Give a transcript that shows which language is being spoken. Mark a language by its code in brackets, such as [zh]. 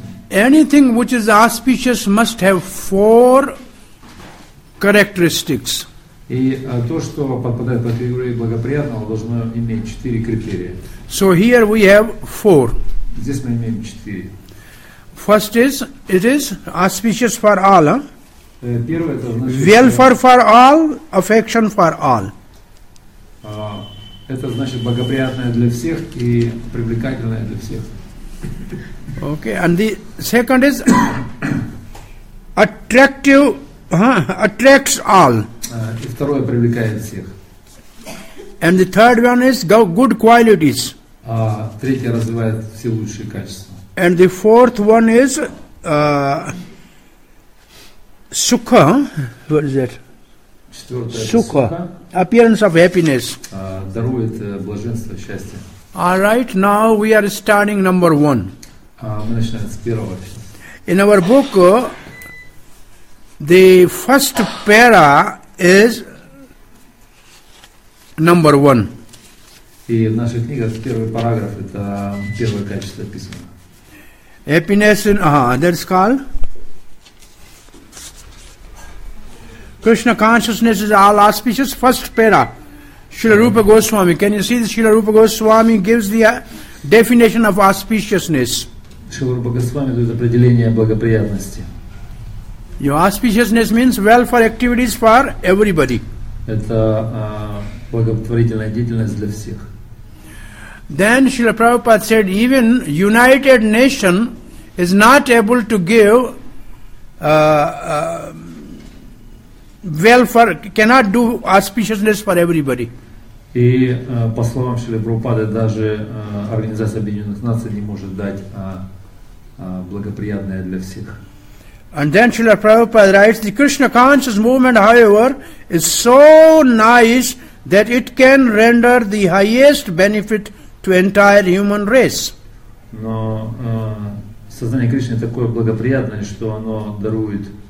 [en] Anything which is auspicious must have four characteristics. [ru] И то, что подпадает под категорию благоприятного, должно иметь четыре критерия. [en] So here we have four. [ru] Здесь мы имеем четыре. [en] First is, it is auspicious for all. [ru] Первое, это значит, [en] welfare for all, affection for all. [ru] Это значит благоприятное для всех и привлекательное для всех. [en] Okay, and the second is attractive, attracts all. [ru] И второе привлекает всех. [en] And the third one is good qualities. [ru] Третье развивает все лучшие качества. [en] And the fourth one is sukha. What is that? Sukha. Appearance of happiness. [ru] Дарует блаженство, счастье. [en] All right, now we are starting number one. [ru] Мы начинаем с первого. [en] In our book, the first para is number one. [ru] И в нашей книге первый параграф, это первое качество описано. [en] Happiness in, that's called Krishna consciousness is all auspicious, first para. Srila Rupa Goswami, can you see this? Srila Rupa Goswami gives the definition of auspiciousness. [ru] Srila Rupa Goswami дает определение благоприятности. [en] Your auspiciousness means welfare activities for everybody. [ru] Это благотворительная деятельность для всех. [en] Then Srila Prabhupada said, even United Nations is not able to give welfare, cannot do auspiciousness for everybody. [ru] И по словам Шри Прабхупады, даже Организация Объединенных Наций не может дать благоприятное для всех. [en] And then Шри Прабхупада writes, the Krishna conscious movement, however, is so nice that it can render the highest benefit to entire human race. [ru] Но сознание Кришны такое благоприятное, что оно дарует